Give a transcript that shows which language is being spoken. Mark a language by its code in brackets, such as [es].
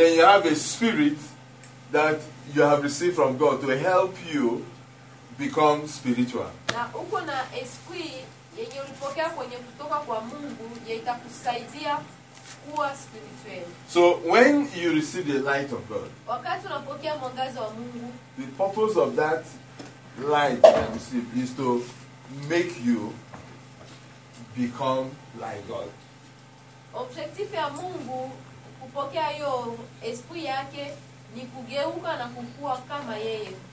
[en] Then you have a spirit that you have received from God to help you become spiritual. [sw] Na uko na esprit yenye ulipokea kwenye kutoka kwa Mungu yatakusaidia kuwa spiritual. [en] So when you receive the light of God, [sw] wakati unapokea mwangaza wa Mungu, [en] the purpose of that light that you receive is to make you become like God. [sw] Objectif ya Mungu kupokea hiyo esprit yake ni kugeuka na kukua kama yeye.